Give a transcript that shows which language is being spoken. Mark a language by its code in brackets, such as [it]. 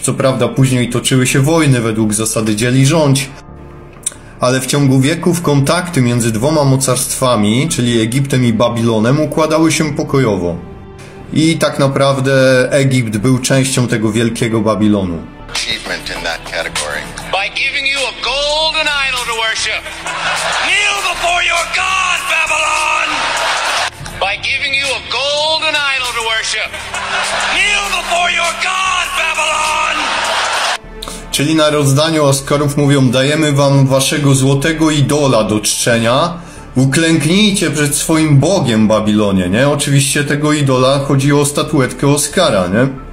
[pl] Co prawda później toczyły się wojny według zasady dzieli rządź. Ale w ciągu wieków kontakty między dwoma mocarstwami, czyli Egiptem i Babilonem, układały się pokojowo. I tak naprawdę Egipt był częścią tego wielkiego Babilonu. [en] Achievement in that category. By giving you a golden idol to worship. Kneel before your god, Babylon! By giving you a golden idol to worship. Kneel before your god, Babylon! [pl] Czyli na rozdaniu Oscarów mówią: dajemy wam waszego złotego idola do czczenia, uklęknijcie przed swoim bogiem, Babilonie, nie? Oczywiście tego idola chodzi o statuetkę Oscara, nie?